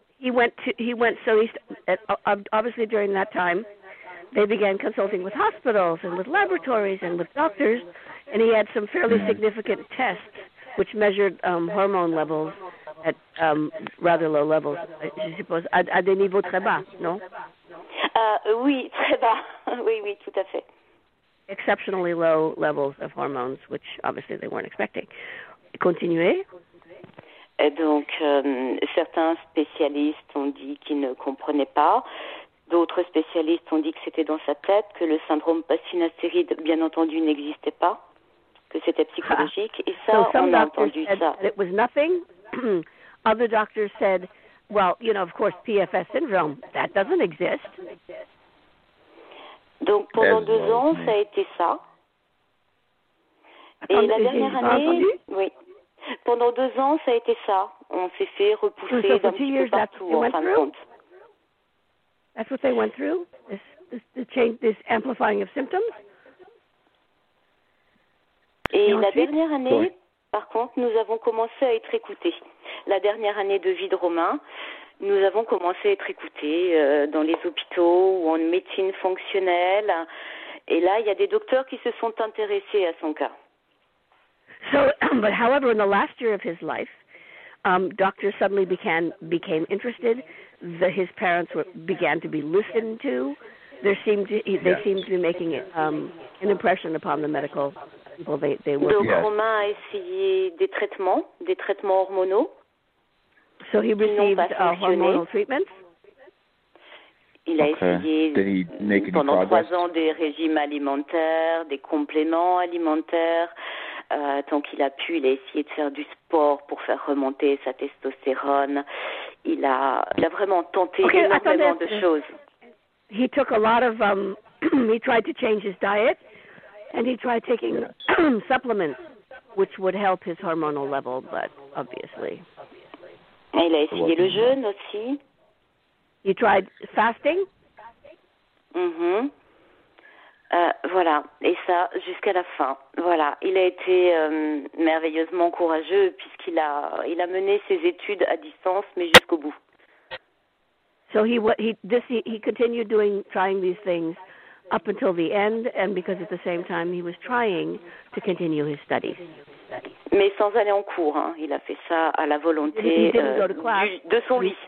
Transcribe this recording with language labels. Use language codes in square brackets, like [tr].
[en] Obviously, during that time, they began consulting with hospitals and with laboratories and with doctors. And he had some fairly significant tests, which measured hormone levels. At rather low levels, [fr] je suppose, à des niveaux très bas, non? Oui, très bas. Oui, tout à fait. [en] Exceptionally low levels of hormones, which obviously they weren't expecting. [fr] Continuez. Et donc, certains spécialistes ont dit qu'ils ne comprenaient pas. D'autres spécialistes ont dit que c'était dans sa tête, que le syndrome post-finastéride, bien entendu, n'existait pas, que c'était psychologique. Et ça, [en] so [fr] on a entendu ça. [en] It was nothing. Other doctors said, well, you know, of course, PFS syndrome, that doesn't exist. [fr] Donc, pendant 2 ans, ça a été ça. Et la dernière année, oui, pendant 2 ans, ça a été ça. On s'est fait repousser d'un petit peu partout, en fin de compte. [en] That's what they went through, this amplifying of symptoms. [fr] Et la dernière année... Par contre, nous avons commencé à être écoutés. La dernière année de vie de Romain, Nous avons commencé à être écoutés dans les hôpitaux ou en médecine fonctionnelle. Et là, il y a des docteurs qui se sont intéressés à son cas. [en] So, but however, in the last year of his life, doctors suddenly became interested. His parents began to be listened to. They seemed to be making an impression upon the medical people they were. [fr] Donc Romain a essayé des traitements hormonaux. [en] So he received hormonal treatments. [fr] Il a essayé pendant 3 ans des régimes alimentaires, des compléments alimentaires. Tant qu'il a pu, il a essayé de faire du sport pour faire remonter sa testostérone. Il a vraiment tenté énormément de choses. [en] He took a lot of he tried to change his diet and he tried taking supplements which would help his hormonal level, but obviously. [fr] Et il a essayé le jeûne aussi. [en] You tried fasting? [fr] Mm-hmm. Voilà, et ça jusqu'à la fin. Voilà, il a été merveilleusement courageux puisqu'il a mené ses études à distance mais jusqu'au bout. [en] So he continued trying these things up until the end, and because at the same time he was trying to continue his studies. [fr] Mais sans aller en cours, hein. Il a fait ça à la volonté de son lit.